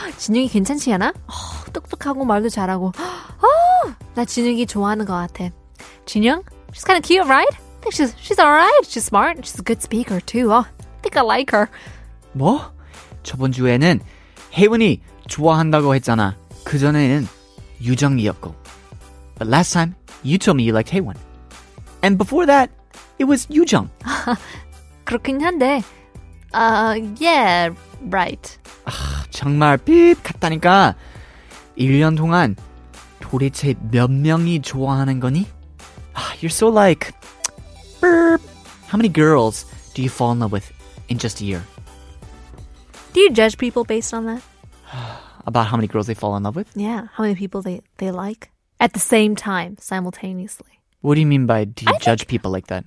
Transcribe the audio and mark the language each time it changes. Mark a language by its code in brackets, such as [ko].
[ko] 진영이 괜찮지 않아? 똑똑하고 말도 잘하고. 나 진영이 좋아하는 것 같아. [en] 진영? She's kind of cute, right? I think she's alright. She's smart. She's a good speaker, too. Oh, I think I like her. [ko] 뭐? 저번 주에는 혜원이 좋아한다고 했잖아. 그 전에는 유정이었고. [en] But last time, you told me you liked 혜원. And before that, it was 유정. [ko] 그렇긴 한데. [en] Yeah, right. [ko] 아, 정말 삐입 같다니까. 1년 동안 도대체 몇 명이 좋아하는 거니? [en] You're so like... Burp. How many girls do you fall in love with in just a year? Do you judge people based on that? About how many girls they fall in love with? Yeah, how many people they like at the same time, simultaneously. What do you mean by do you judge people like that?